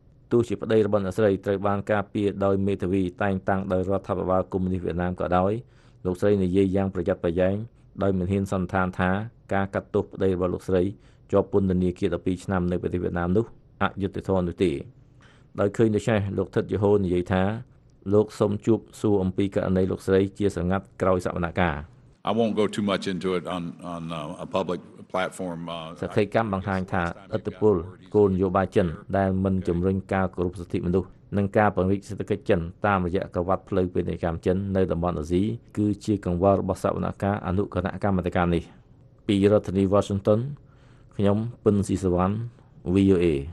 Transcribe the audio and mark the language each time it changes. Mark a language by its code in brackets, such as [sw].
[km] ទោះជាប្តីរបស់អ្នកស្រីត្រូវបានការពារដោយមេធាវីតែងតាំងដោយរដ្ឋាភិបាលកុម្មុយនីសវៀតណាមក៏ដោយលោកស្រីនិយាយយ៉ាងប្រយ័ត្នប្រយែងដោយមានហ៊ានសន្និដ្ឋានថាការកាត់ទោសប្តីរបស់លោកស្រីជាប់ពន្ធនាគារ12ឆ្នាំនៅប្រទេសវៀតណាមនោះអយុត្តិធម៌នោះទេដោយឃើញដូច្នេះលោកថិតយូហូនិយាយថាលោកសូមជួបសួរអំពីករណីលោកស្រីជាសង្កាត់ក្រោយសវនកម្ម [en] I won't go too much into it on a public platform. [km] សេចក្តីកំបញ្ជាថាឥទ្ធិពលគោលនយោបាយចិនដែលមិនជំរុញការគោរពសិទ្ធិមនុស្សនិងការពង្រីកសេដ្ឋកិច្ចចិនតាមរយៈក្រវ៉ាត់ផ្លូវពាណិជ្ជកម្មចិននៅតំបន់អាស៊ីគឺជាកង្វល់របស់សវនកម្មអនុគណៈកម្មាធិការនេះពីរដ្ឋធានី Washington ខ្ញុំពិនស៊ីសវណ្ណ VOA